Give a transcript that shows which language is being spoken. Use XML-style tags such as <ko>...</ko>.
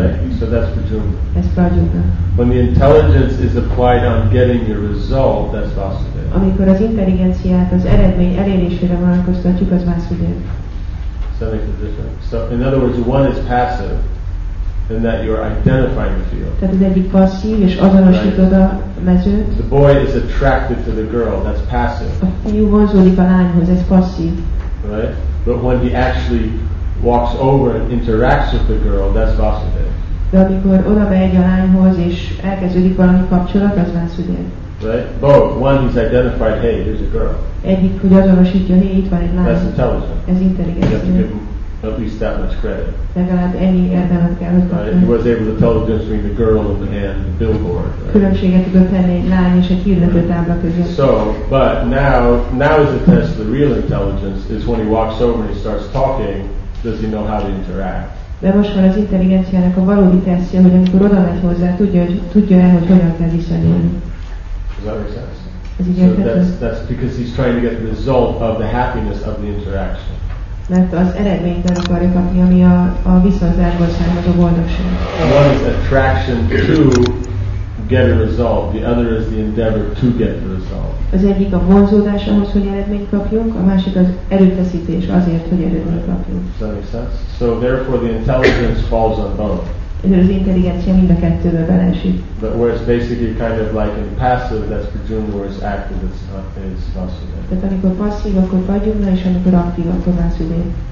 <en>Right. So that's Prajumna.</en> <hu>Ez Prajumna.</hu> <en>When the intelligence is applied on getting your result, that's Vasudeva.</en> <hu>Amikor az intelligenciát az eredmény elérésére vonatkoztatjuk, az Vasudeva.</hu> <en>So that makes a difference. So in other words, one is passive, in that you are identifying the field.</en> <hu>Tehát az egyik passzív, és azonosítod a mezőt.</hu> <en>The boy is attracted to the girl, that's passive.</en> <hu>A fiú vonzódik a lányhoz, ez passzív.</hu> <en>Right? But when he actually walks over and interacts with the girl, that's Vasudeva.</en> <hu>De amikor oda megy a lányhoz, és elkezdődik valami kapcsolat, az Vasudeva.</hu> <en>Right? Both. One, he's identified, hey, here's a girl.</en> <hu>Egyik, hogy azonosítja, hey, itt van egy lány.</hu> <en>That's intelligent.</en> <hu>Ez intelligencia.</hu> <en>At least that much credit.</en> <hu>Legalább ennyi érdemet kell, hogy kapjon.</hu> <en>He was able to tell the difference between the girl and the billboard. Right?</en> <hu>Különbséget tudott tenni egy lány és egy hirdető tábla között.</hu> <en>So, but now is the test of the real intelligence, is when he walks over and he starts talking, does he know how to interact?</en> <hu>De most van az intelligenciának a valódi tesztje, hogy amikor oda megy hozzá, tudja-e, hogy hogyan kell viszonyulni.</hu> <en>Does that make sense? So that's because he's trying to get the result of the happiness of the interaction.</en> <hu>Mert az eredményt akarja kapni, ami a visszazárból származó boldogság.</hu> <en>One is attraction to get a result, the other is the endeavor to get the result.</en> <hu>Az egyik a vonzódás ahhoz, hogy eredményt kapjunk, a másik az erőfeszítés azért, hogy eredményt kapjunk.</hu> <en>Does that make sense? So therefore the intelligence falls on both.</en> <hu>Ezért az intelligencia mind a kettőbe beleesik.</hu> <en>But where it's basically kind of like in passive, that's Prajumna, where it's active, it's not is Vasudeva.</en> <hu>Tehát amikor passzív, akkor Prajumna, és amikor aktív, akkor Vasudeva.</hu>